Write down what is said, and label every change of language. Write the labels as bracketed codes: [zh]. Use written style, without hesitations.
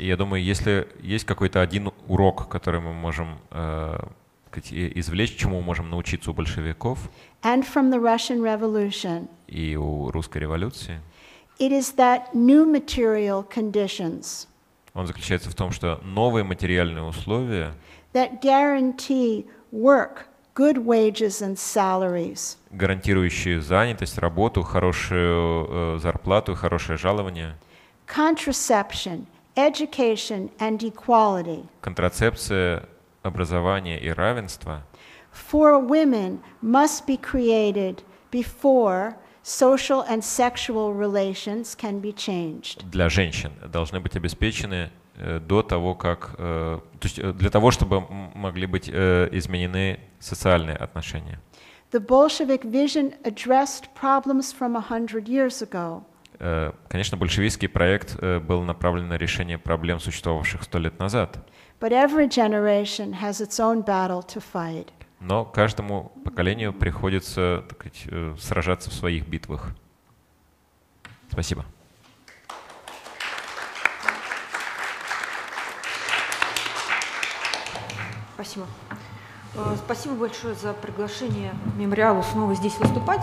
[ru] Я думаю, если есть какой-то один урок, который мы можем извлечь, чему мы можем научиться у большевиков [en] and from the Russian Revolution, [ru] и у русской революции, [en] it is that new material conditions, [ru] он заключается в том, что новые материальные условия, [en] that guarantee work, good wages and salaries, [ru] гарантирующие занятость, работу, хорошую зарплату, хорошее жалование, [en] contraception, education and equality, [ru] контрацепция, образование и равенство. [en] For women must be created before social and sexual relations can be changed. [ru] Для женщин должны быть обеспечены до того, как, то есть для того, чтобы могли быть изменены социальные отношения. [en] The Bolshevik vision addressed problems from 100 years ago. [ru] Конечно, большевистский проект был направлен на решение проблем, существовавших 100 лет назад. [en] But every generation has its own battle to fight. [ru] Но каждому поколению приходится, так сказать, сражаться в своих битвах. Спасибо. Спасибо. Спасибо большое за приглашение мемориалу снова здесь выступать.